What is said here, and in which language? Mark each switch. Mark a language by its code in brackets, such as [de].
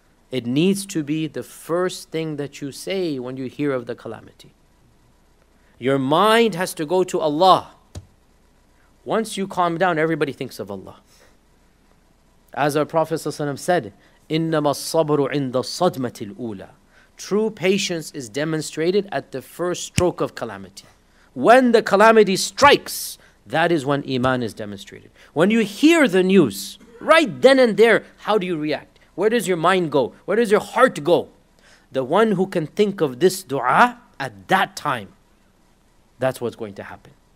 [en] It needs to be the first thing that you say when you hear of the calamity. Your mind has to go to Allah. Once you calm down, everybody thinks of Allah. As our Prophet ﷺ said, [ar] إِنَّمَا الصَّبْرُ عِنْدَ الصَّدْمَةِ الْأُولَى. [en] True patience is demonstrated at the first stroke of calamity. When the calamity strikes, that is when iman is demonstrated. When you hear the news, right then and there, how do you react? Where does your mind go? Where does your heart go? The one who can think of this dua at that time, that's what's going to happen.